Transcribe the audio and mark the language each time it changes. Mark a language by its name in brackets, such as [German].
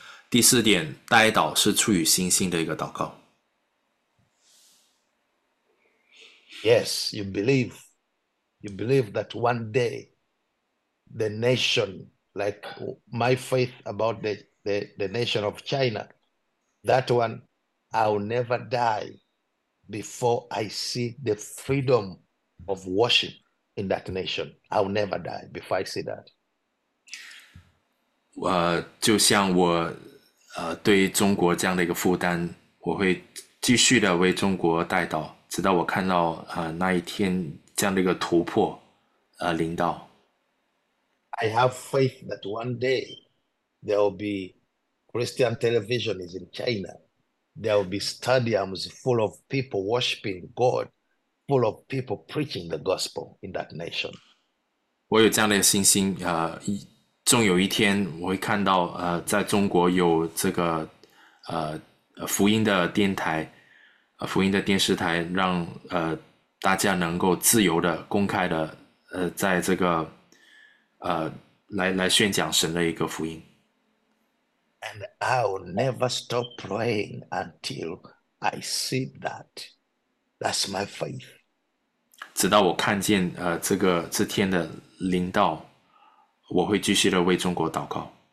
[Chinese] 第四点，带祷是出于信心的一个祷告。 [English] Yes, you believe. You believe that one day the nation, like my faith about the nation of China, that one, I'll never die before I see the freedom of worship in that nation. I'll never die before I see that. [Chinese] 就像我，对中国这样的一个负担，我会继续的为中国带祷，直到我看到那一天这样的一个突破，临到。 [English] I have faith that one day there will be Christian television is in China. There will be stadiums full of people worshiping God, full of people preaching the gospel in that nation. [Chinese] 我有这样的一个信心，终有一天，我会看到，在中国有这个，福音的电台，福音的电视台，让大家能够自由的、公开的，在这个，来宣讲神的一个福音。 [English] And I will never stop praying until I see that. That's my faith. [Chinese] 直到我看见，这天的临到。我会继续的为中国祷告。